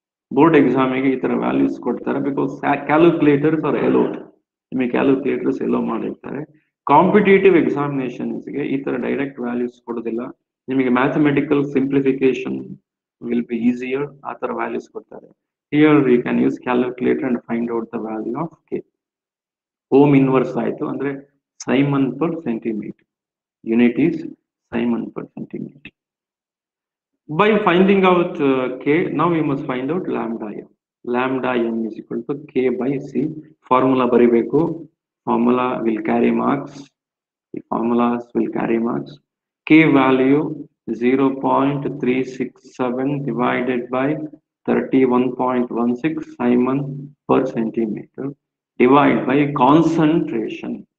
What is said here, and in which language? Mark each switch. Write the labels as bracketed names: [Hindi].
[Kannada] Board exam ಗೆ ಇತರ values ಕೊಡ್ತಾರೆ [English] because calculators are allowed. [Kannada] ನಿಮಗೆ calculators allow ಮಾಡಿರ್ತಾರೆ. Competitive examinations ಗೆ ಇತರ direct values ಕೊಡೋದಿಲ್ಲ. ನಿಮಗೆ [English] mathematical simplification will be easier, [Kannada] ಆತರ values ಕೊಡ್ತಾರೆ. [English] Here we can use calculator and find out the value of k. [Kannada] Ohm inverse ಆಯ್ತು ಅಂದ್ರೆ Simon per centimetre. [English] Unit is siemens per centimetre. By finding out k, now we must find out lambda m. Lambda m is equal to k by c. Formula [Kannada] ಬರಿಬೇಕು. [English] Formula will carry marks. The formulas will carry marks. K value 0.367 divided by 31.16 Simon per centimeter divided by concentration.